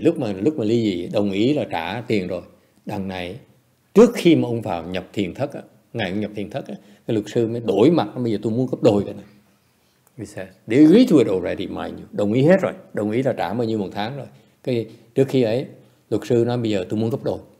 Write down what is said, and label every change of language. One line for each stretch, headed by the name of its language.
Vietnamese: Lúc mà ly dị đồng ý là trả tiền rồi. Đằng này trước khi mà ông vào nhập thiền thất á, ngày ông nhập thiền thất á, cái luật sư mới đổi mặt, bây giờ tôi muốn gấp đôi cái này.
English: He said, they agreed to it already, mind you.
Vietnamese: Đồng ý hết rồi, đồng ý là trả bao nhiêu một tháng rồi. Cái trước khi ấy, luật sư nói bây giờ tôi muốn gấp đôi.